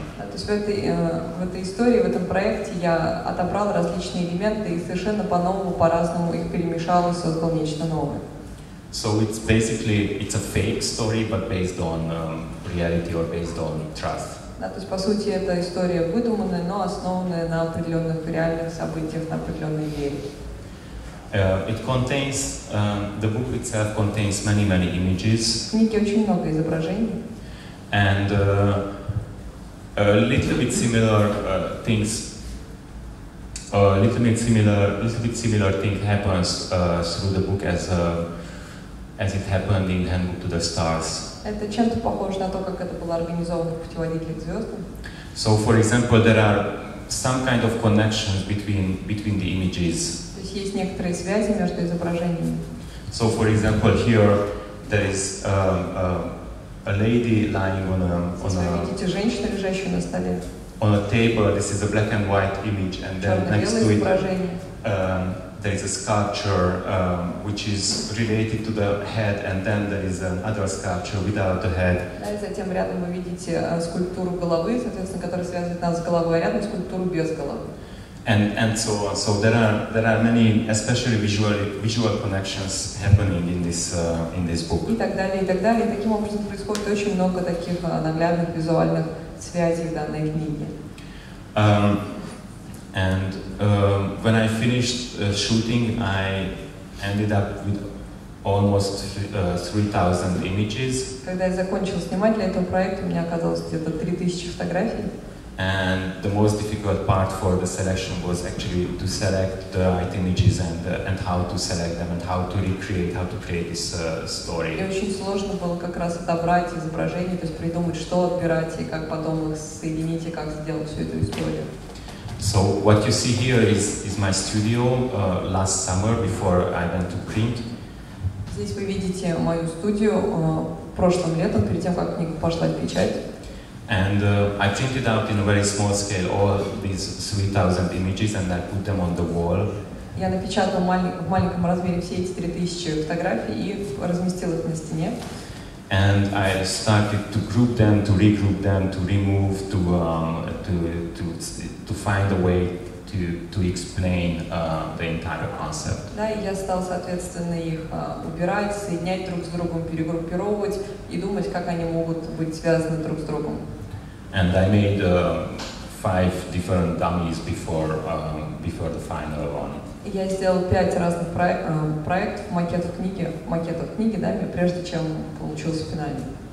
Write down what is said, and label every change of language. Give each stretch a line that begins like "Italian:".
Russian: То есть в этой истории, в этом проекте я отобрал различные элементы и совершенно по-новому, по-разному их перемешал и создал нечто новое.
English: So it's basically it's a fake story, but based on reality or based on trust.
Russian: Да, то есть по сути это история выдуманная, но основанная на определенных реальных событиях, на определенной вере.
English: It contains the book itself contains many many images.
Russian: В книге очень много изображений.
English: And a little bit similar things. A little bit similar thing happens through the book as it happened in Handbook to the Stars.
Russian: Это чем-то похоже на то, как это было организовано в Путеводителе к звездам.
English: So, for example, there are some kind of connections between the images.
Russian: То есть есть некоторые связи между изображениями.
English: So, for example, here there is a lady lying on a
Russian: Видите, женщина, лежащая на столе.
English: On a table, this is a black and white image, and then next to it there is a sculpture which is related to the head, and then there is another sculpture without the head.
Russian: И затем рядом вы видите скульптуру головы, соответственно, которая связывает нас с головой, а рядом скульптуру без головы.
English: And so on. So there are many, especially visual connections happening in this book.
Russian: И так далее, и так далее. Таким образом происходит очень много таких наглядных визуальных связей в данной книге.
English: When I finished shooting, I ended up with almost 3,000 images.
Russian: Когда я закончил снимать для этого проекта, у меня оказалось где-то 3,000 фотографий.
English: And the most difficult part for the selection was actually to select the right images and how to select them and how to recreate, how to create this story.
Russian: И очень сложно было как раз отобрать изображения, то есть придумать, что отбирать и как потом их соединить и как сделать всю эту историю.
English: So what you see here is my studio last summer before I went to print.
Russian: Здесь вы видите мою студию прошлым летом, перед тем, как книга пошла в печать.
English: And I printed out in a very small scale all these 3,000 images and I put them on the wall.
Russian: Я напечатал в маленьком размере все эти 3,000 фотографий и разместил их на стене.
English: And I started to group them, to regroup them, to remove, to find a way to explain the entire concept.
Russian: Да, и я стал, соответственно, их убирать, соединять друг с другом, перегруппировать и думать, как они могут быть связаны друг с другом.
English: And I made five different dummies before the final one.
Russian: Я сделал пять разных проектов, макетов книги, да, прежде чем получился финальный.